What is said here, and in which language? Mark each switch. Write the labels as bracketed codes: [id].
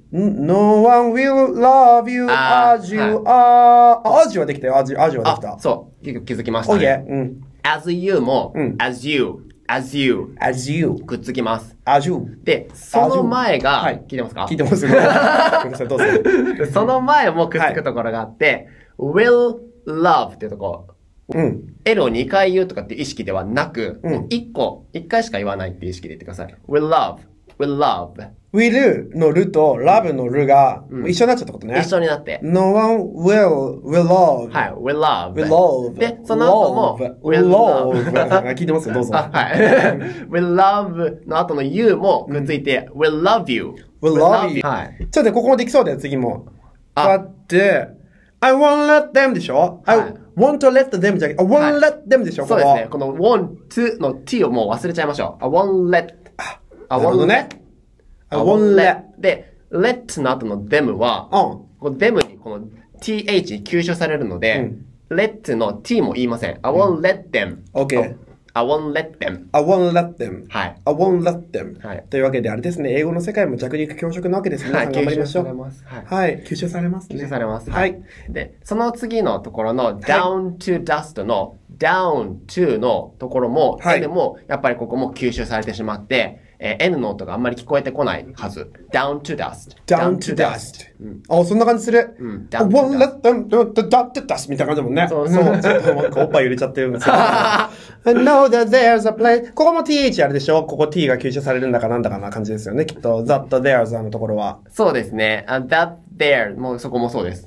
[en] No one will love you as you are。 [ja] はい、はできたよ。as you はできた。そう。結構気づきましたね。 [en] Oh yeah. [ja] うん、as you も、うん、as you, as you, [en] as you [ja] くっつきます。 [en] as you。 [ja] で、その前が、はい、聞いてますか？聞いてます、ね。どうぞ。その前もくっつくところがあって、はい、will love っていうとこ。うん。 L を2回言うとかって意識ではなく、うん、もう1個、1回しか言わないって意識で言ってください。 [en] will love, will love. [ja] will のるとlove のるが一緒になっちゃったことね。うん、一緒になって。 [en] no one will, will love. はい、will love. will love. [ja] で、その後も、 [en] will love. [ja] 聞いてますよ、どうぞ。はい。 will love の後の you もくっついて、 [en] will love you. will love you. [ja] はい。ちょっとここもできそうだよ、次も。あ [en] って、I won't let them [ja] でしょ、はい、 [en] I won't let them [ja] じゃなくて [en] I won't let them でしょ、 [ja] はい、そうですね。この want to の t をもう忘れちゃいましょう。 [en] I won't let [ja] あ、なるほどね。 [en] I won't let. [ja] で、let の後の them は、them にこの th 吸収されるので、let の t も言いません。 [en] I won't let them. Okay. I won't let them. I won't let them. [ja] はい。 [en] I won't let them. [ja] はい。というわけであれですね、英語の世界も弱肉強食なわけですね。はい、頑張りましょう。吸収されます。はい。吸収されます、ね。吸収されます、はい。はい。で、その次のところの down to dust の down to のところも、はい、でもやっぱりここも吸収されてしまって、N の音があんまり聞こえてこないはず。 [en] down to dust. down to dust. [ja] あ、うん、そんな感じする。うん、 [en] I won't let them do the down to dust [ja] みたいな感じだもんね。そうそう。ちょっとおっぱい揺れちゃってるんですけど。 [en] know that there's a place. [ja] ここも th あれでしょ。ここ t が吸収されるんだかなんだかな感じですよね。きっと、that there's のところは。そうですね。 that there もそこもそうです。